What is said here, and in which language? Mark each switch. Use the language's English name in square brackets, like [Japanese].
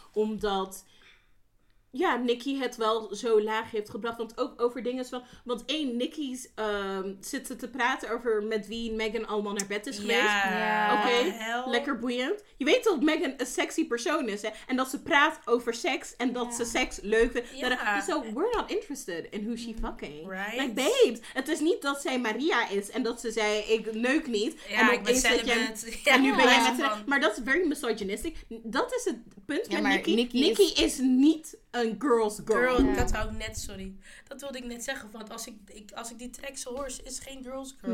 [Dutch] Omdat, ja, Nicki het wel zo laag heeft gebracht. Want ook over dingen van... Want één, Nicki zit te praten over met wie Meghan allemaal naar bed is geweest. Ja. Yeah. Oké, okay. Lekker boeiend. Je weet dat Meghan een sexy persoon is, hè? En dat ze praat over seks en dat ze seks leuk vindt. Ja. [English] So we're not interested in who she fucking. Right. Like, babes. [Dutch] Het is niet dat zij Maria is en dat ze zei, ik neuk niet. Ja, en ik ben sediment. En nu ben jij met Maar dat is [English] very misogynistic. [Dutch] Dat is het punt met Nicki. Nicki is niet een girl's girl. Girl, dat wou ik net, sorry. Dat wilde ik net zeggen, want als ik die tracks hoor, is geen girl's girl.